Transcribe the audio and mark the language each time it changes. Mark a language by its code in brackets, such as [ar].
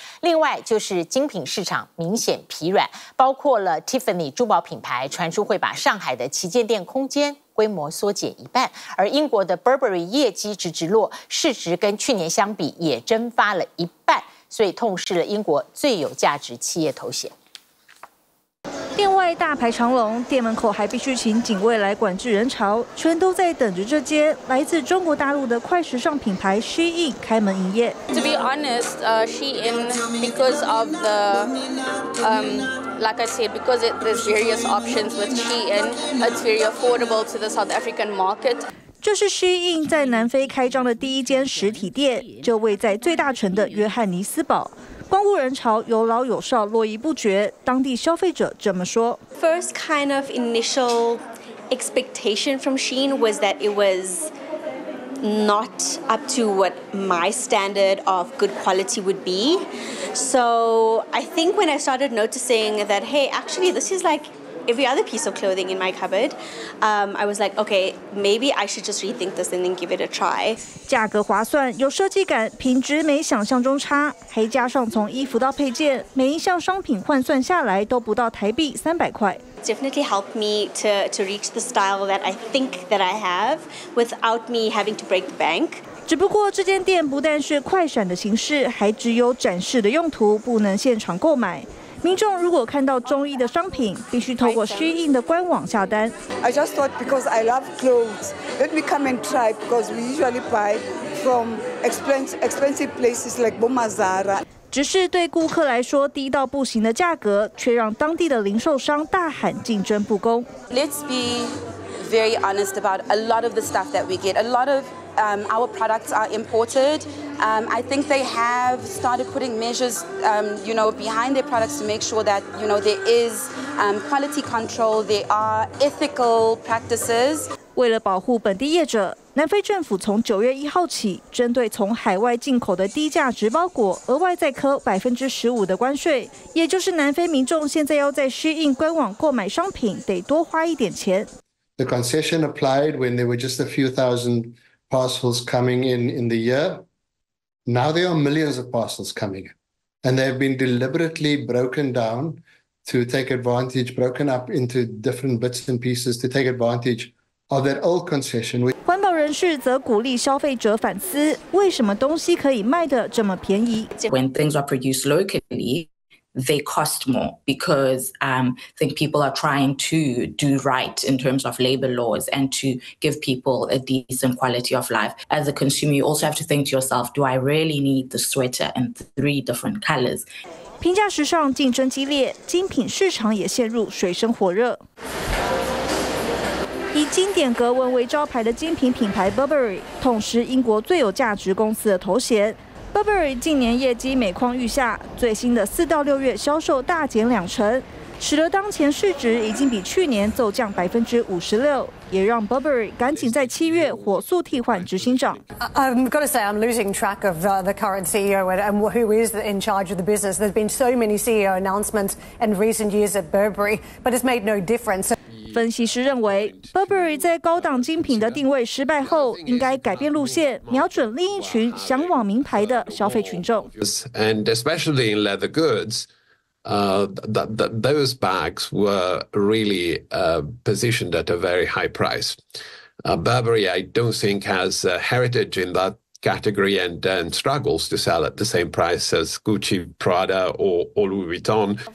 [zh] 另外就是精品市场明显疲软，包括了 Tiffany 珠宝品牌传出会把上海的旗舰店空间规模缩减一半，而英国的 Burberry 业绩直直落，市值跟去年相比也蒸发了一半，所以痛失了英国最有价值企业头衔。店外大排长龙，店门口还必须请警卫来管制人潮，全都在等着这间来自中国大陆的快时尚品牌 Shein 开门营业。 [en] To be honest, Shein because of the, like I said, because it, there's various options with Shein, it's very affordable to the South African market. [zh] 这是 Shein 在南非开张的第一间实体店，就位在最大城的约翰尼斯堡。光顾人潮有老有少，络绎不绝。当地消费者这么说 [en] ：First kind of initial expectation from Shein was that it was not up to what my standard of good quality would be. So I think when I started noticing that, hey, actually this is like. Every other piece of clothing in my cupboard, I was like, okay, maybe I should just rethink this and then give it a try. [zh] 价格划算，有设计感，品质没想象中差，还加上从衣服到配件，每一项商品换算下来都不到台币300块。 [en] Definitely helped me to reach the style that I think that I have without me having to break the bank. [zh] 只不过这间店不但是快闪的形式，还只有展示的用途，不能现场购买。民众如果看到中意的商品，必须透过Shein的官网下单。 [en] I just thought because I love clothes, let me come and try because we usually buy from expensive places like Boma Zara. [zh] 只是对顾客来说，低到不行的价格，却让当地的零售商大喊竞争不公。 [en] Let's be very honest about a lot of the stuff that we get. A lot of our products are imported. I think they have started putting measures, you know, behind their products to make sure that, you know, there is quality control, there are ethical practices. [zh] 为了保护本地业者，南非政府从9月1号起，针对从海外进口的低价直包裹，额外再扣15%的关税。也就是南非民众现在要在Shein官网购买商品，得多花一点钱。 [en] The concession applied when there were just a few thousand. Parcels coming in the year. Now there are millions of parcels coming in, and they have been deliberately broken down to take advantage, broken up into different bits and pieces to take advantage of that old concession. [zh] 环保人士则鼓励消费者反思，为什么东西可以卖得这么便宜 [en] ？When things are produced locally. They cost more because I think people are trying to do right in terms of labor laws and to give people a decent quality of life. As a consumer, you also have to think to yourself, do I really need the sweater in 3 different colors? [zh] 平价时尚竞争激烈，精品市场也陷入水深火热。以经典格纹为招牌的精品品牌 Burberry， 痛失英国最有价值公司的头衔。 Burberry 近年业绩每况愈下，最新的4到6月销售大减20%，使得当前市值已经比去年骤降56%，也让 Burberry 赶紧在7月火速替换执行长。 [en] I've got to say I'm losing track of the current CEO and who is in charge of the business. There's been so many CEO announcements in recent years at Burberry, but it's made no difference. [zh] 分析师认为 ，Burberry 在高档精品的定位失败后，应该改变路线，瞄准另一群向往名牌的消费群众。 [en] And especially in leather goods, those bags were really positioned at a very high price. Burberry, I don't think, has a heritage in that category and struggles to sell at the same price as Gucci, Prada, or Louis Vuitton.